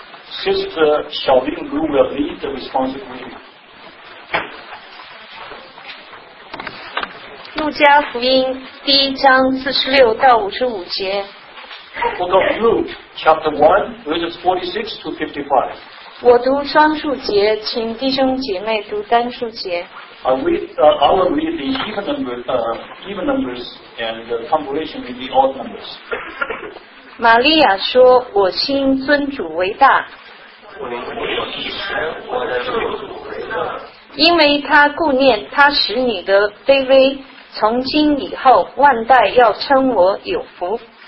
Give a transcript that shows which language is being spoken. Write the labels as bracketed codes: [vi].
[en] Sister 小林 Lu will lead the responsive reading. [zh] 路加福音第一章四十六到五十五节。 [en] Book of Luke, chapter 1, verses 46 to 55. [zh] 我读双数节，请弟兄姐妹读单数节。 [en] I will read the even numbers and the compilation in the odd numbers. [zh] 玛利亚说：“我心尊主为大。” 我的主为大。因为他顾念他使你的卑微，从今以后万代要称我有福。